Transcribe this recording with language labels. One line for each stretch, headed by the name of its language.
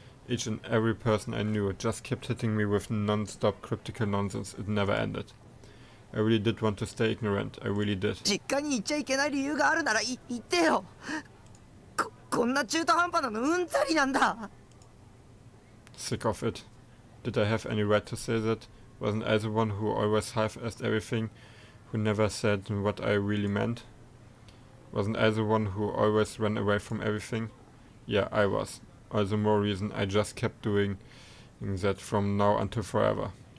English: Each and every person I knew just kept hitting me with non-stop cryptical nonsense. It never ended. I really did want to stay ignorant. I really did.
Japanese: 実家に行っちゃいけない理由があるなら言ってよ!こんな中途半端なのうんざりなんだ!
English: Sick of it. Did I have any right to say that? Wasn't I the one who always half-assed everything, who never said what I really meant? Wasn't I the one who always ran away from everything? Yeah, I was. All the more reason I just kept doing that from now until forever.